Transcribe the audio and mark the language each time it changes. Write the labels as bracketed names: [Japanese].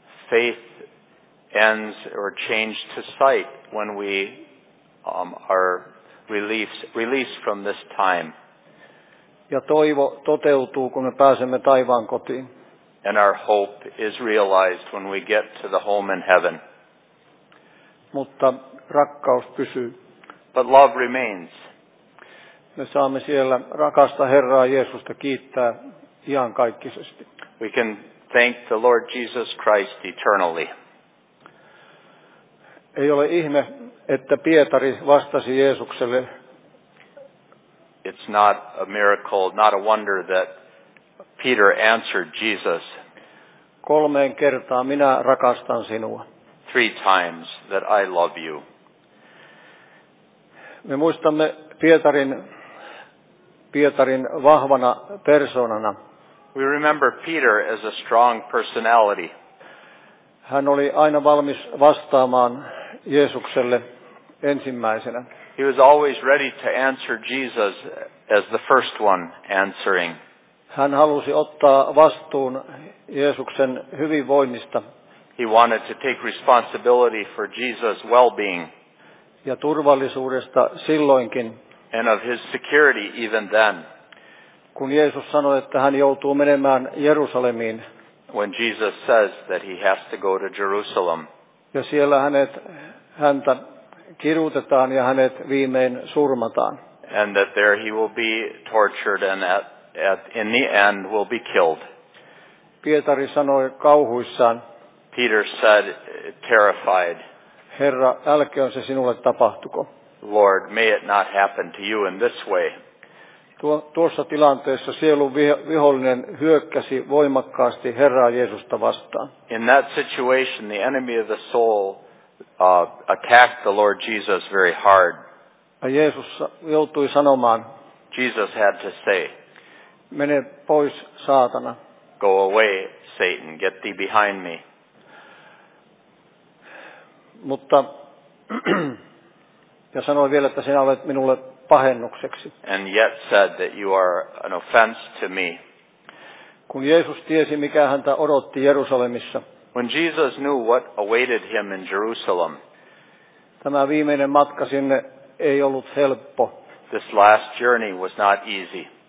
[English] Faith ends or changes to sight when we are released from this time. [Finnish] Ja toivo toteutuu, kun me pääsemme taivaan kotiin. [English] And our hope is realized when we get to the home in heaven. [Finnish] Mutta rakkaus pysyy. [English] But love remains. [Finnish] Me saamme siellä rakasta Herraa Jeesusta kiittää iankaikkisesti. [English] We can thank the Lord Jesus Christ eternally. [Finnish] Ei ole ihme, että Pietari vastasi Jeesukselle. [English] It's not a miracle, not a wonder that Peter answered Jesus. [Finnish] Kolmeen kertaan minä rakastan sinua. [English] Three times that I love you. [Finnish] Me muistamme Pietarin vahvana persoonana. [English] We remember Peter as a strong personality. [Finnish] Hän oli aina valmis vastaamaan Jeesukselle ensimmäisenä. [English] He was always ready to answer Jesus as the first one answering. [Finnish] Hän halusi ottaa vastuun Jeesuksen hyvinvoinnista. [English] He wanted to take responsibility for Jesus' well-being. [Finnish] Ja turvallisuudesta silloinkin. [English] And of his security even then. [Finnish] Kun Jeesus sanoi, että hän joutuu menemään Jerusalemiin. [English] When Jesus says that he has to go to Jerusalem. [Finnish] Ja siellä häntä kirjoitetaan ja hänet viimein surmataan. [English] And that there he will be tortured and in the end will be killed. [Finnish] Pietari sanoi kauhuissaan. [English] Peter said terrified. [Finnish] Herra, älköön se sinulle tapahtuko. [English] Lord, may it not happen to you in this way. [Finnish] Tuossa tilanteessa sielun vihollinen hyökkäsi voimakkaasti Herraa Jeesusta vastaan. [English] In that situation, the enemy of the soul attacked the Lord Jesus very hard. [Finnish] Ja Jeesus joutui sanomaan. [English] Jesus had to say. [Finnish] Mene pois, saatana. [English] Go away, Satan. Get thee behind me. [Finnish] Mutta ja sanoi vielä, että sinä olet minulle pahennukseksi. [English] And yet said that you are an offense to me. [Finnish] Kun Jeesus tiesi, mikä häntä odotti Jerusalemissa. [English] When Jesus knew what awaited him in Jerusalem. [Finnish] Tämä viimeinen matka sinne ei ollut helppo. [English] This last journey was not easy.